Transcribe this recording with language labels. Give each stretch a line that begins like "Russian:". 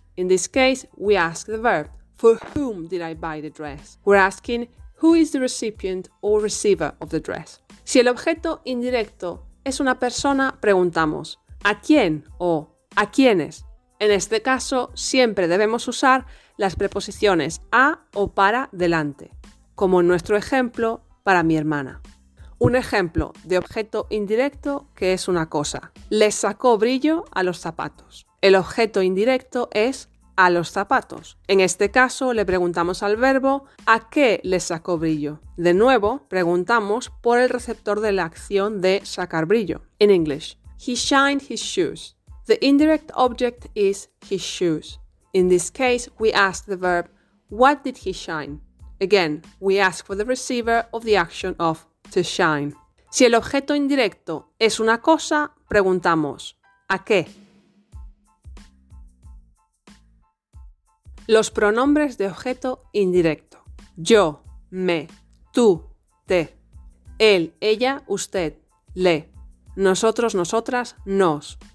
English: In this case, we ask the verb, for whom did I buy the dress? We're asking, who is the recipient or receiver of the dress?
Spanish: Si el objeto indirecto es una persona, preguntamos, ¿a quién o a quiénes? En este caso, siempre debemos usar las preposiciones a o para delante, como en nuestro ejemplo, para mi hermana. Un ejemplo de objeto indirecto que es una cosa. Le sacó brillo a los zapatos. El objeto indirecto es a los zapatos. En este caso, le preguntamos al verbo ¿a qué le sacó brillo? De nuevo, preguntamos por el receptor de la acción de sacar brillo.
English: In English, he shined his shoes. The indirect object is his shoes. In this case, we ask the verb, what did he shine? Again, we ask for the receiver of the action of to shine.
Spanish: Si el objeto indirecto es una cosa, preguntamos, ¿a qué? Los pronombres de objeto indirecto. Yo, me, tú, te. Él, ella, usted, le. Nosotros, nosotras, nos.